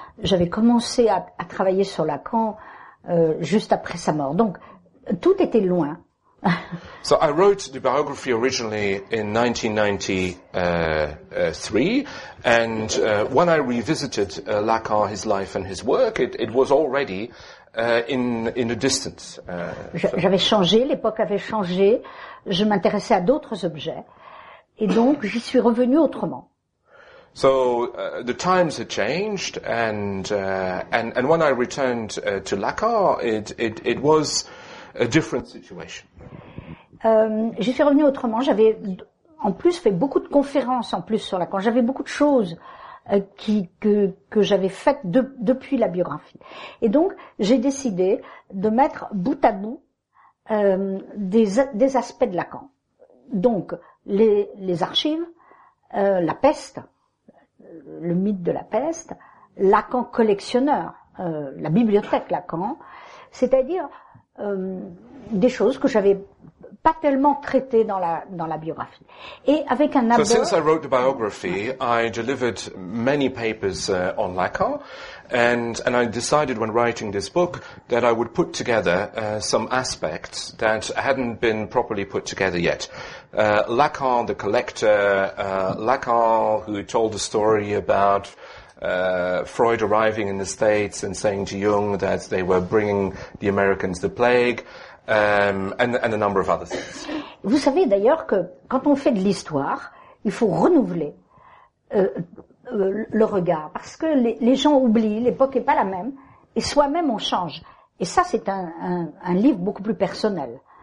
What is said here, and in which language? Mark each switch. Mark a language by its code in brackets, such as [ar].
[fr] J'avais commencé à travailler sur Lacan juste après sa mort. Donc, tout était loin. [en] So I wrote the biography originally in 1993, and when I revisited Lacan, his life and his work, it was already in the distance. [fr] J'avais changé. L'époque avait changé. Je m'intéressais à d'autres objets, et donc j'y suis revenu autrement. [en] So the times had changed, and when I returned to Lacan, it was a different situation. [fr] J'y suis revenu autrement. J'avais en plus fait beaucoup de conférences en plus sur Lacan. J'avais beaucoup de choses que j'avais faites depuis la biographie, et donc j'ai décidé de mettre bout à bout. Des aspects de Lacan. Donc, les archives, la peste, le mythe de la peste, Lacan collectionneur, la bibliothèque Lacan, c'est-à-dire des choses que j'avais pas tellement traité dans la biographie. Et avec un abord. [en] So since I wrote the biography, I delivered many papers on Lacan, and I decided when writing this book that I would put together some aspects that hadn't been properly put together yet. Lacan the collector, Lacan who told the story about Freud arriving in the States and saying to Jung that they were bringing the Americans the plague. And a number of other things. [fr] Vous savez d'ailleurs que quand on fait de l'histoire, il faut renouveler le regard, parce que les gens oublient, l'époque n'est pas la même, et soi-même on change. Et ça, c'est un livre beaucoup plus personnel.